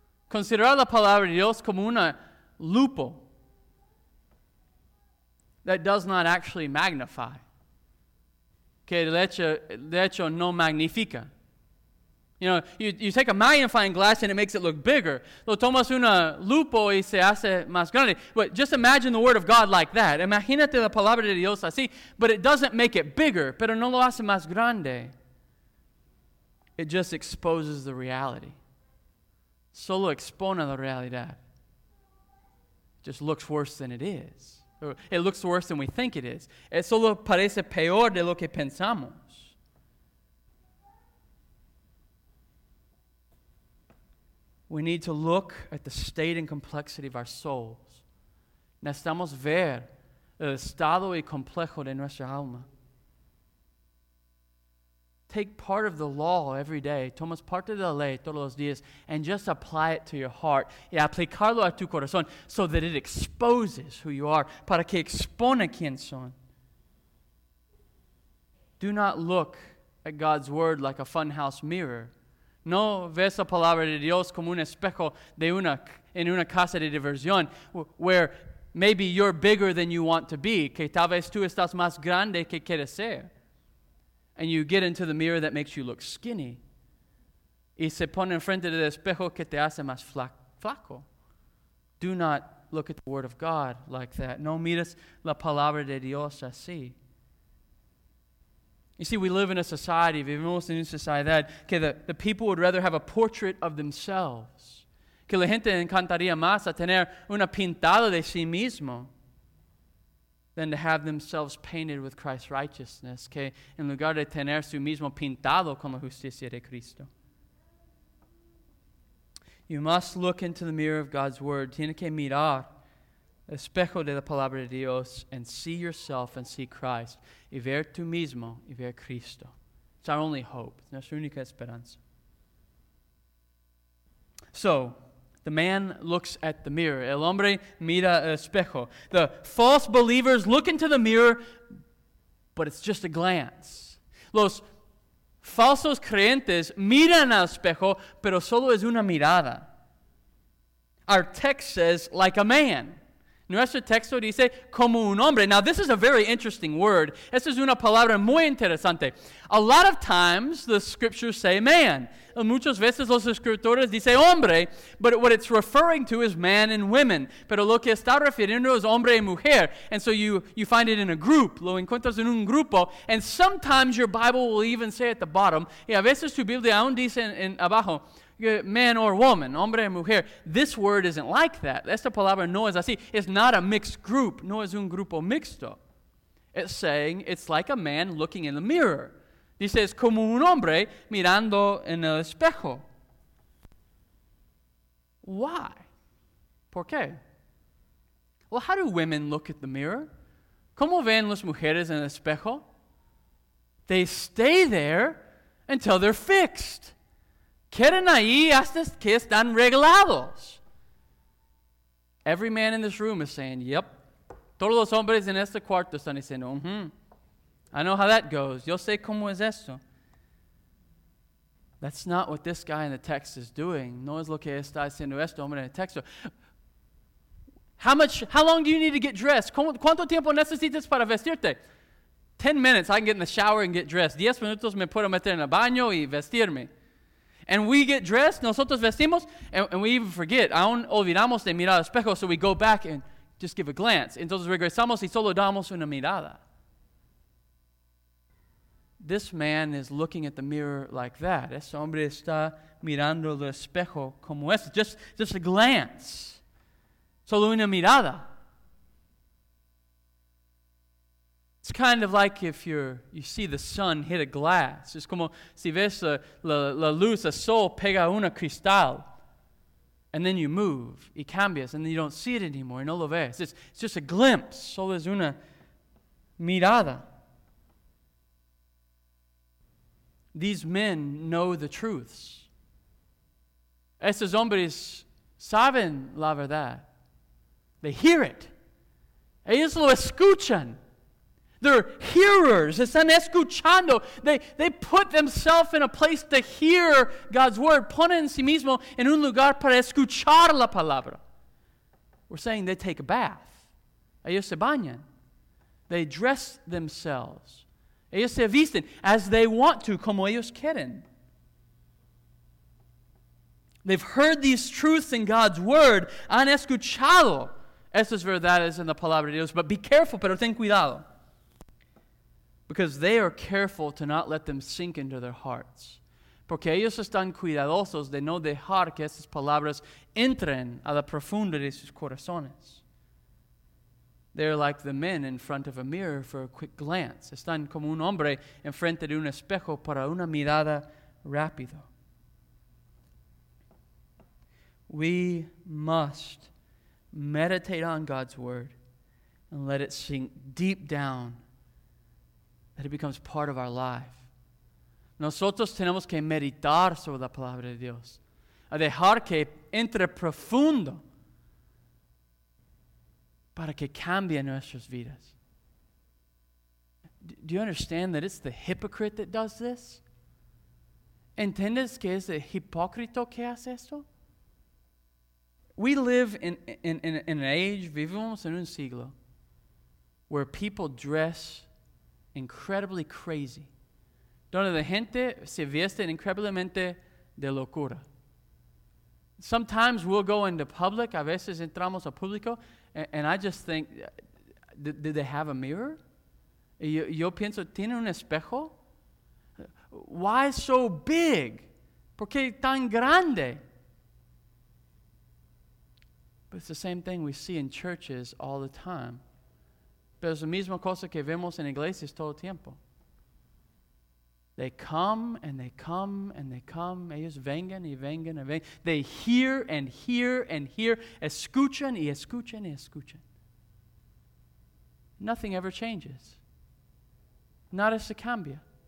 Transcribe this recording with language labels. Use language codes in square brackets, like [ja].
[es] Considerar la palabra de Dios como una lupo [en] that does not actually magnify. [es] Que de hecho no magnifica. [en] You know, you take a magnifying glass and it makes it look bigger. [es] Lo tomas una lupo y se hace más grande. [en] But just imagine the word of God like that. [es] Imagínate la palabra de Dios así, [en] but it doesn't make it bigger, [es] pero no lo hace más grande. [en] It just exposes the reality. [es] Solo expone la realidad. [en] It just looks worse than it is. It looks worse than we think it is. [es] It solo parece peor de lo que pensamos. [en] We need to look at the state and complexity of our souls. [es] Necesitamos ver el estado y complejo de nuestra alma. [en] Take part of the law every day. [es] Tomas parte de la ley todos los días [en] and just apply it to your heart. [es] Y aplicarlo a tu corazón [en] so that it exposes who you are. [es] Para que expone quién son. [en] Do not look at God's word like a funhouse mirror. [es] No ves la palabra de Dios como un espejo de una en una casa de diversión [en] where maybe you're bigger than you want to be. [es] Que tal vez tú estás más grande que quieres ser. [en] And you get into the mirror that makes you look skinny. [es] Y se pone enfrente del espejo que te hace más flaco. [en] Do not look at the word of God like that. [es] No mires la palabra de Dios así. [en] You see, we live in a society, [es] vivimos en una sociedad, que [en] the people would rather have a portrait of themselves. [es] Que la gente encantaría más a tener una pintada de sí mismo. [en] Than to have themselves painted with Christ's righteousness, [es] que en lugar de tener su mismo pintado con la justicia de Cristo. [en] You must look into the mirror of God's word. [es] Tiene que mirar el espejo de la palabra de Dios [en] and see yourself and see Christ. [es] Y ver tú mismo y ver Cristo. [en] It's our only hope. [es] Es nuestra única esperanza. [en] So, the man looks at the mirror. [es] El hombre mira el espejo. [en] The false believers look into the mirror, but it's just a glance. [es] Los falsos creyentes miran al espejo, pero solo es una mirada. [en] Our text says, like a man. [es] Nuestro texto dice, como un hombre. [en] Now, this is a very interesting word. [es] Esta es una palabra muy interesante. [en] A lot of times, the scriptures say man. [es] Muchas veces, los escritores dicen hombre. [en] But what it's referring to is man and women. [es] Pero lo que está refiriendo es hombre y mujer. [en] And so you find it in a group. [es] Lo encuentras en un grupo. [en] And sometimes, your Bible will even say at the bottom. [es] Y a veces, tu Biblia aún dice en abajo. [en] Man or woman, hombre or mujer. This word isn't like that. [es] Esta palabra no es así. [en] It's not a mixed group. [es] No es un grupo mixto. [en] It's saying it's like a man looking in the mirror. [es] Dice es como un hombre mirando en el espejo. Why? ¿Por qué? [en] Well, how do women look at the mirror? [es] ¿Cómo ven las mujeres en el espejo? [en] They stay there until they're fixed. [es] Quedan ahí hasta que están regalados. [en] Every man in this room is saying, yep. [es] Todos los hombres en este cuarto están diciendo, [en] I know how that goes. [es] Yo sé cómo es esto. [en] That's not what this guy in the text is doing. [es] No es lo que está haciendo este hombre en el texto. [en] How long do you need to get dressed? [es] ¿Cuánto tiempo necesitas para vestirte? [en] 10 minutes, I can get in the shower and get dressed. [es] 10 minutos, me puedo meter en el baño y vestirme. [en] And we get dressed, [es] nosotros vestimos, [en] and we even forget. [es] Aún olvidamos de mirar al espejo, [en] so we go back and just give a glance. [es] Entonces regresamos y solo damos una mirada. [en] This man is looking at the mirror like that. [es] Ese hombre está mirando el espejo como este. [en] Just a glance. [es] Solo una mirada. [en] It's kind of like if you see the sun hit a glass. [es] It's como si ves la luz, el sol pega una cristal. [en] And then you move, [es] y cambias, [en] and then you don't see it anymore, [es] y no lo ves. [en] It's just a glimpse, [es] solo es una mirada. [en] These men know the truths. [es] Estos hombres saben la verdad. [en] They hear it. [es] Ellos lo escuchan. [en] They're hearers. [es] Están escuchando. [en] They put themselves in a place to hear God's word. [es] Ponen en sí mismo en un lugar para escuchar la palabra. [en] We're saying they take a bath. [es] Ellos se bañan. [en] They dress themselves. [es] Ellos se visten [en] as they want to, [es] como ellos quieren. [en] They've heard these truths in God's word. [es] Han escuchado estas verdades en la palabra de Dios. But be careful, pero ten cuidado. [en] Because they are careful to not let them sink into their hearts. [es] Porque ellos están cuidadosos de no dejar que estas palabras entren a la profunda de sus corazones. [en] They're like the men in front of a mirror for a quick glance. [es] Están como un hombre en frente de un espejo para una mirada rápido. [en] We must meditate on God's word and let it sink deep down, that it becomes part of our life. [es] Nosotros tenemos que meditar sobre la palabra de Dios, a dejar que entre profundo para que cambie nuestras vidas. [en] Do you understand that it's the hypocrite that does this? [es] ¿Entiendes que es el hipócrita que hace esto? [en] We live in an age, [es] vivimos en un siglo, [en] where people dress incredibly crazy. [es] Donde la gente se viste increíblemente de locura. [en] Sometimes we'll go into public, [es] a veces entramos a público, [en] and I just think, did they have a mirror? [es] Yo pienso, ¿tiene un espejo? [en] Why so big? [es] ¿Por qué tan grande? [en] But it's the same thing we see in churches all the time. [es] Pero es la misma cosa que vemos en iglesias todo el tiempo. [en] They come and they come and they come. [es] Ellos vengan y vengan y vengan. [en] They hear and hear and hear. [es] Escuchan y escuchan y escuchan. [en] Nothing ever changes. [es] Nada se cambia.